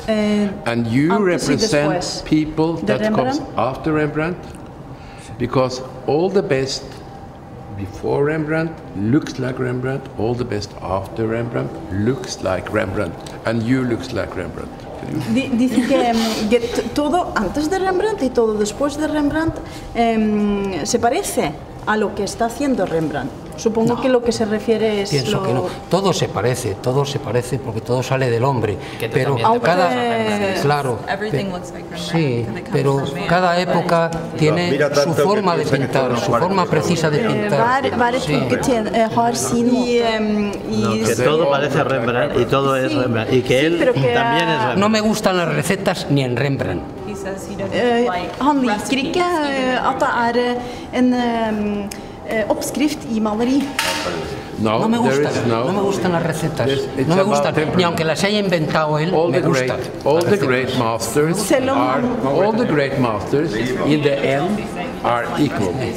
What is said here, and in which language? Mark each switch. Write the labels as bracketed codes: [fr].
[en] And you represent people that comes after Rembrandt because all the best before Rembrandt looks like Rembrandt, all the best after Rembrandt looks like Rembrandt, and you looks like Rembrandt. [es] Dice que, que todo antes de Rembrandt y todo después de Rembrandt se parece a lo que está haciendo Rembrandt. Supongo no. que lo que se refiere es Pienso lo... que no. Todo se parece porque todo sale del hombre. Pero cada... Claro. Sí, pero cada época tiene su forma de pintar, su forma precisa de pintar. Que todo parece Rembrandt y todo es Rembrandt. Y que él también es Rembrandt. No me gustan las recetas ni en Rembrandt. [no] Han liker ikke at det en oppskrift i maleri. [es] No me gustan las recetas. No me gustan, ni aunque las haya inventado él, [en] all [es] me gustan. [en] All the great masters are, all the great masters in the end are equal.